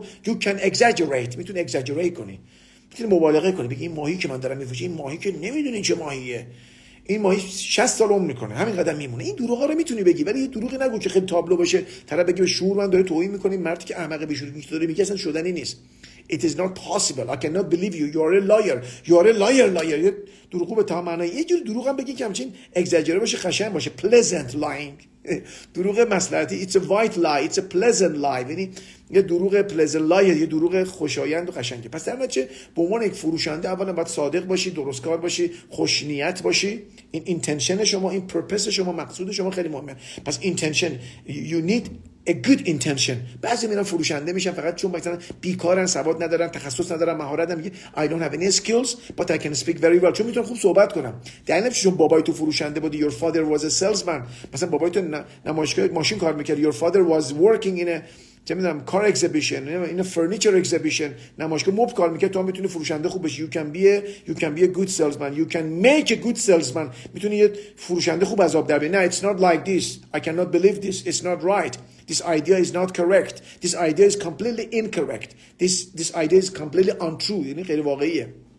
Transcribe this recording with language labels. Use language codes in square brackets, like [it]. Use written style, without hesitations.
[en] don't you can exaggerate. [fa] میتونی exaggerate کنی. میتونی مبالغه کنی. بگی این ماهی که من دارم میفروشم، این ماهی که نمیدونی چه ماهیه. این ماهی 60 سال عمر میکنه، همین قدم میمونه. این دروغ ها رو میتونی بگی، ولی یه دروغی نگو که خیلی تابلو باشه، طرف بگی به شعور من داره توهین میکنی، مردی که احمقه به شعور میکنه داره میگه، اصلا شدنی نیست. [en] It is not possible. I cannot believe you. You are a liar. You are a liar, liar. [fa] دروغو به تمام معنای یه جور دروغ هم بگی که همچین اگزاجره باشه، خشن باشه. [en] Pleasant lying. [fa] دروغ مصلحتی. [en] It's a white lie. It's a pleasant lie. [fa] یعنی یه دروغ pleasant lie. یه دروغ خوشایند و قشنگه. پس در نتیجه به عنوان یک فروشنده اولا باید صادق باشی، درست کار باشی، خوش نیت باشی. این intention شما، این purpose شما، مقصود شما خیلی مهمه. پس intention. [en] You need a good intention. [fa] بعضی میرن فروشنده میشن فقط چون مثلا بیکارن، سواد ندارن، تخصص ندارن، مهارت ندارن، میگه [en] I don't have any skills but I can speak very well. [fa] چون میتونم خوب صحبت کنم. دلیلش چون بابای تو فروشنده بود. [en] Your father was a salesman. [fa] مثلا بابای تو نمایشگاه ماشین کار میکرد. [en] Your father was working in a car exhibition. In a furniture exhibition. [fa] نمایشگاه موب کار میکرد. تو هم میتونی فروشنده خوب بشی. [en] You can be a good salesman. You can make a good salesman. [fa] میتونی یه فروشنده خوب از آب در بیاری. [en] No, it's not like this. I cannot believe this. It's not right. This idea is not correct. This idea is completely incorrect. This idea is completely untrue. [fa] یعنی غیر واقعیه.